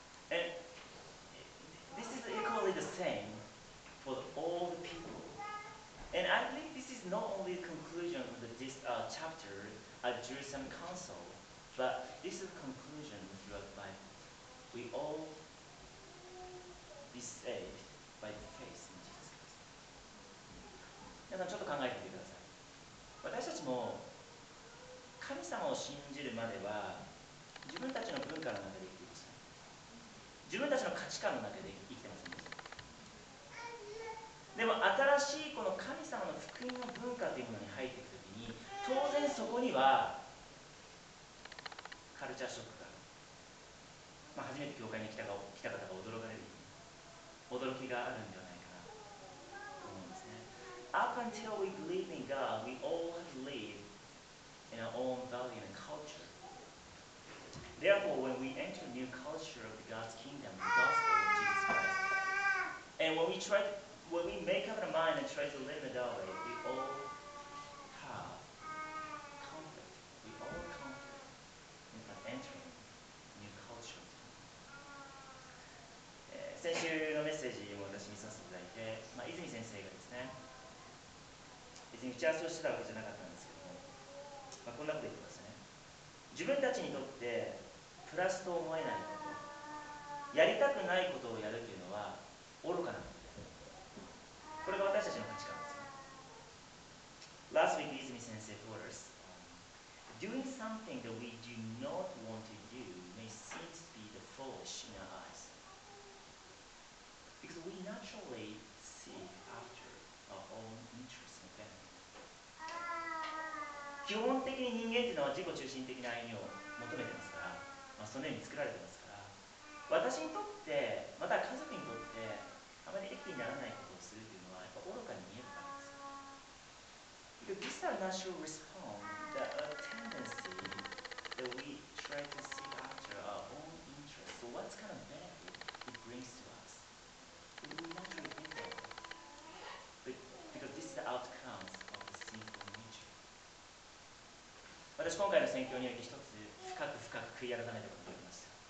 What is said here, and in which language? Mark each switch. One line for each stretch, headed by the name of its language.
English: And this is equally the same for all the people. And I believe this is not only the conclusion of this chapter at Jerusalem Council, but this is the conclusion that we all be saved by the faith in Jesus Christ.
Japanese: 皆さんちょっと考えてみてください。私たちも神様を信じるまでは自分たちの文化の中で生きていません。自分たちの価値観の中で生きていません。でも新しいこの神様の福音の文化というものに入っていくときに、当然そこにはカルチャーショックがある、まあ、初めて教会に来た方が驚かれる驚きがあるんではないかなと思うんですね。
English: Up until we believe in God, we all have to live in our own value and culture. Therefore, when we enter a new culture of God's kingdom, the gospel of Jesus Christ, and when we make up our mind and try to live in that way, we all have conflict. We all have conflict in entering a new culture of God.
Japanese: 先週のメッセージを私見させていただいて、まあ、泉先生がですね、別に打ち合わせをしてたわけじゃなかったんですけども、まあ、こんなこと言ってましたね。自分たちにとってプラスと思えないこと、やりたくないことをやるというのは愚かなこと。これが私たちの価値観ですね。
English: Last week, 泉先生 told us, doing something that we do not want to do may seem to be the foolish in our eyes. Because we naturally seek after our own interests and benefit.
Japanese: 基本的に人間というのは自己中心的な愛を求めてますから、まあ、そのように作られてますから、私にとって、また家族にとって、あまり益にならないことをするというのは、やっぱ愚かに見えるからです。
English: This is our natural response, that a tendency that we try to seek after our own interests. So what kind of benefit it brings to us? We naturally think that. Because this is the outcome of the sinful nature.
Japanese: 私、今回の宣教において一つ、深く深く悔い改めたことがありました。